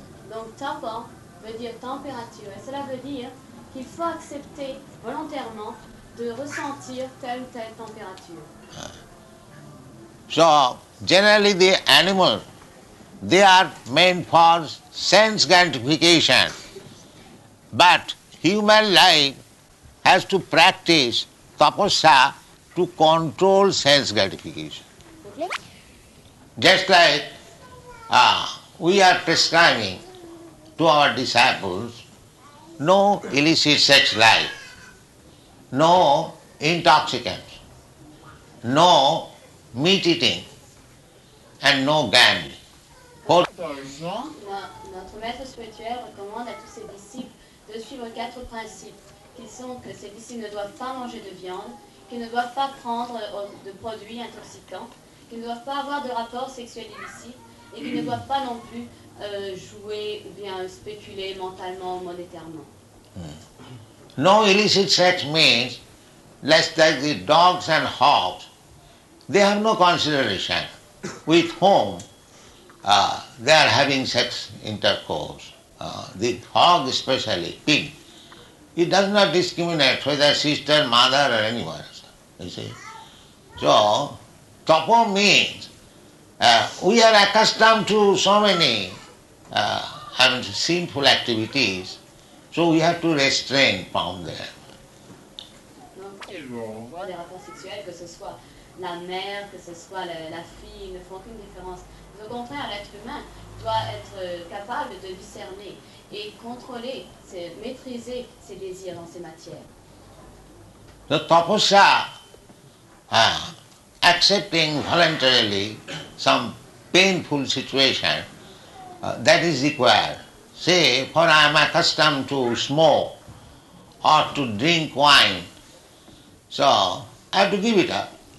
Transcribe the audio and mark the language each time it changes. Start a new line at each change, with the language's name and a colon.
French: Donc tapo veut dire température, et cela veut dire qu'il faut accepter volontairement de ressentir telle ou telle température.
English: So generally the animals, they are meant for sense gratification, but human life has to practice tapasya to control sense gratification. Just like we are prescribing to our disciples no illicit sex life, no intoxicants, no meat eating, and no gambling.
French: Notre maître spirituel recommande à tous ses disciples de suivre quatre principes qui sont que ses disciples ne doivent pas manger de viande, qu'ils ne doivent pas prendre de produits intoxicants, qu'ils ne doivent pas avoir de rapports sexuels illicites et qu'ils ne doivent pas non plus jouer ou bien spéculer mentalement ou monétairement.
English: No illicit sex means, less like the dogs and hogs, they have no consideration with whom they are having sex intercourse. The hog especially, pig, it does not discriminate whether sister, mother or anyone else, you see. So, tapo means, we are accustomed to so many sinful activities, so we have to restrain from them.
French: Des rapports sexuels, que ce soit la mère, que ce soit la fille, ne font aucune différence. Au contraire, l'être humain doit être capable de discerner et contrôler, maîtriser ses désirs dans ces matières.
English: The tapasya, accepting voluntarily some painful situation, that is required. Say, for I am accustomed to smoke or to drink wine, so I have to give it up.